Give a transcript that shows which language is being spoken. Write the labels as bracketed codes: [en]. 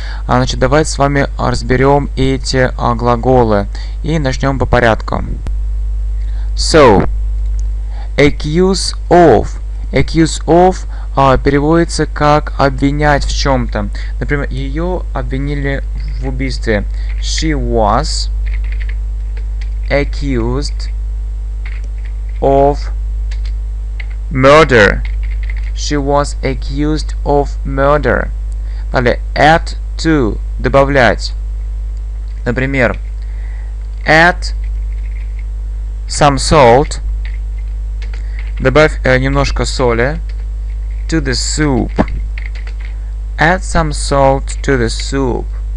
[ru] Значит, давайте с вами разберем эти глаголы и начнем по порядку. [en] So, accuse of. [ru] Accuse of переводится как обвинять в чем-то. Например, ее обвинили в убийстве. [en] She was accused of murder. She was accused of murder. [ru] Далее, add to добавлять. Например, [en] add some salt. [ru] Добавь немножко соли. [en] To the soup. Add some salt to the soup.